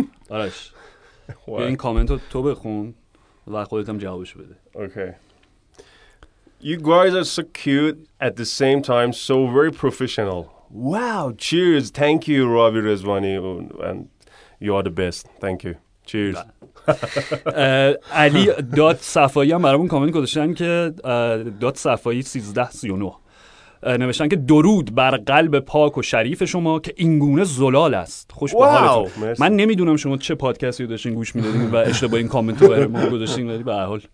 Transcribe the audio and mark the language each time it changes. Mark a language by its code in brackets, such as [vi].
[fa] آرش، به این کامنت رو تو بخون و خودت هم جوابش بده. [en] Okay. You guys are so cute at the same time so very professional. Wow, cheers. Thank you Ravi Rezvani and you are the best. Thank you. Cheers. [fa] علی دات صفایی هم برامون کامنت گذاشتن که دات صفایی 1339 نوشتن که درود بر قلب پاک و شریف شما که اینگونه زلال است. خوش به حالتون. من نمیدونم شما چه پادکستی رو داشتین گوش میدادین و اشتباه این کامنت رو برای ما گذاشتین، ولی به هر حال